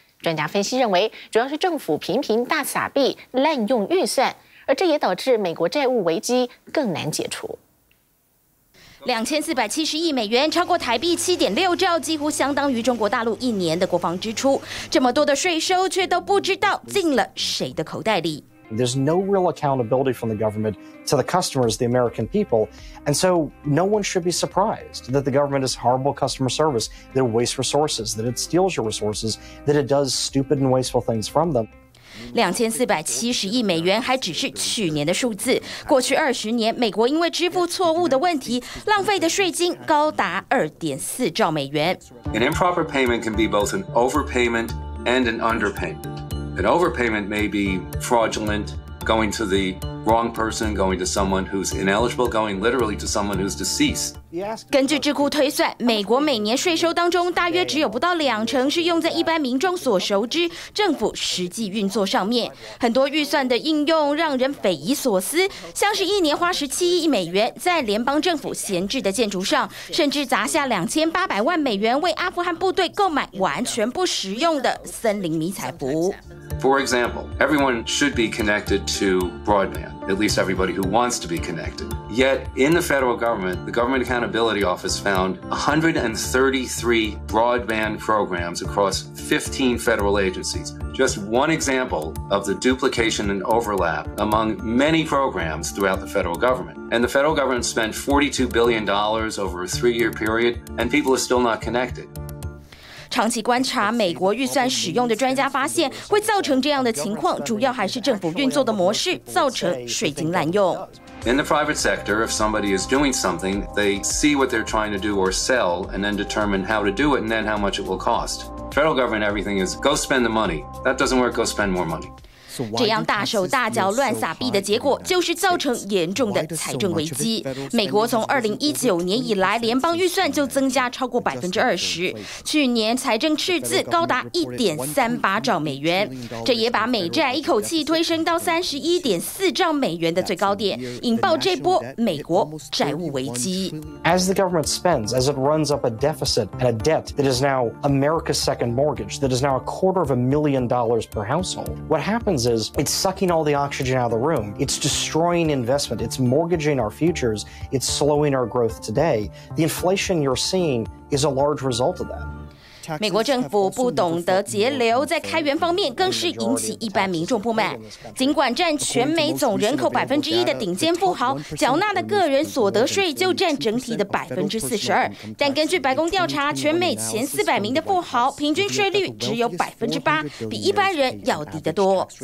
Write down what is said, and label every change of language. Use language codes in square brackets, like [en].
[zh] 专家分析认为，主要是政府频频大撒币，滥用预算，而这也导致美国债务危机更难解除。 2470亿美元，超过台币7.6兆，几乎相当于中国大陆一年的国防支出。这么多的税收，却都不知道进了谁的口袋里。 [en] There's no real accountability from the government to the customers, the American people, and so no one should be surprised that the government has horrible customer service, that it wastes resources, that it steals your resources, that it does stupid and wasteful things from them. [zh] 2470亿美元还只是去年的数字，过去20年，美国因为支付错误的问题，浪费的税金高达2.4兆美元。 [en] An improper payment can be both an overpayment and an underpayment. An overpayment may be fraudulent, going to the wrong person, going to someone who's ineligible, going literally to someone who's deceased. [zh] 根据智库推算，美国每年税收当中大约只有不到20%是用在一般民众所熟知政府实际运作上面，很多预算的应用让人匪夷所思，像是一年花17亿美元在联邦政府闲置的建筑上，甚至砸下2800万美元为阿富汗部队购买完全不实用的森林迷彩服。 [en] For example, everyone should be connected to broadband, at least everybody who wants to be connected. Yet, in the federal government, the Government Accountability Office found 133 broadband programs across 15 federal agencies. Just one example of the duplication and overlap among many programs throughout the federal government. And the federal government spent $42 billion over a 3-year period, and people are still not connected. [zh] 长期观察美国预算使用的专家发现，会造成这样的情况，主要还是政府运作的模式造成税金滥用。 [en] In the private sector, if somebody is doing something, they see what they're trying to do or sell, and then determine how to do it, and then how much it will cost. Federal government, everything is go spend the money. That doesn't work. Go spend more money. [zh] 这样大手大脚乱撒币的结果，就是造成严重的财政危机。美国从2019年以来，联邦预算就增加超过20%，去年财政赤字高达1.38兆美元，这也把美债一口气推升到31.4兆美元的最高点，引爆这波美国债务危机。 [en] As the government spends, as it runs up a deficit and a debt that is now America's second mortgage, that is now $250,000 per household, what happens? Is it's sucking all the oxygen out of the room. It's destroying investment. It's mortgaging our futures. It's slowing our growth today. The inflation you're seeing is a large result of that. [zh] 美国政府不懂得节流，在开源方面更是引起一般民众不满。尽管占全美总人口1%的顶尖富豪缴纳的个人所得税就占整体的42%，但根据白宫调查，全美前400名的富豪平均税率只有8%，比一般人要低得多。